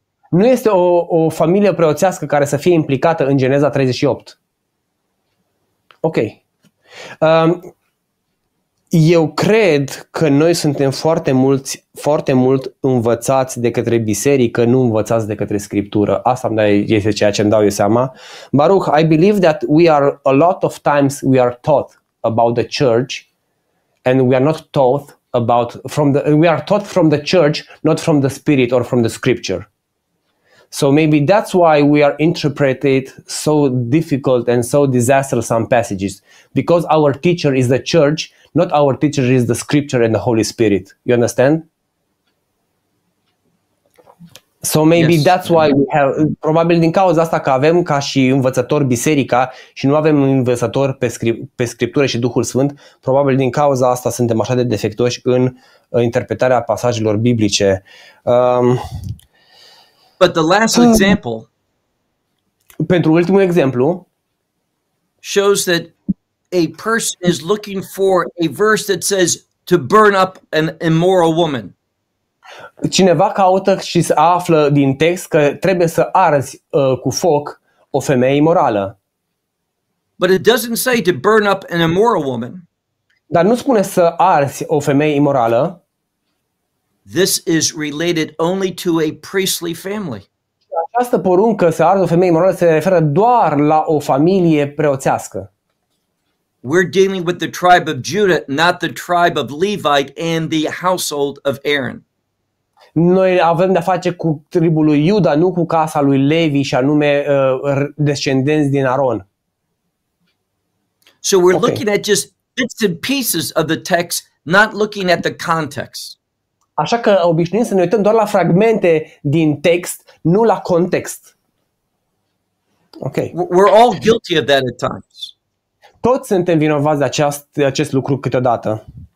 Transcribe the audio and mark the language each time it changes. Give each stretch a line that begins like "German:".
Romanian: Nu este o familie preoțească care să fie implicată în Geneza 38. Ok. Eu cred că noi suntem foarte mulți, foarte mult învățați de către biserică, nu învățați de către scriptură. Asta este ceea ce îmi dau eu seama.
English: Baruch, I believe that we are a lot of times we are taught about the church and we are not taught about from the we are taught from the church, not from the spirit or from the scripture. So maybe that's why we are interpreted so difficult and so disastrous some passages, because our teacher is the church. Not our teacher is the scripture and the Holy Spirit. You understand? So maybe yes, that's why we have,
Romanian: probabil din cauza asta că avem ca și învățător biserica și nu avem un învățător pe scriptură și Duhul Sfânt, probabil din cauza asta suntem așa de defectuoși în interpretarea pasajelor biblice.
English: But the last example.
Romanian: Pentru ultimul exemplu
English: shows that a person is looking for a verse that says to burn up an immoral woman.
Romanian: Cineva caută și se află din text că trebuie să arzi cu foc o femeie imorală.
English: But it doesn't say to burn up an immoral woman.
Romanian: Dar nu spune să arzi o femeie imorală.
English: This is related only to a priestly family.
Romanian: Această poruncă să arzi o femeie imorală se referă doar la o familie preoțească.
English: We're dealing with the tribe of Judah, not the tribe of Levi and the household of Aaron.
Romanian: Noi avem de-a face cu tribul lui Iuda, nu cu casa lui Levi și anume descendenți din Aaron.
English: So we're okay. Looking at just bits and pieces of the text, not looking at the context.
Romanian: Așa că obișnuim să ne uităm doar la fragmente din text, nu la context.
English: Okay. We're all guilty of that at times.
Romanian: Toți suntem vinovați de acest lucru câteodată.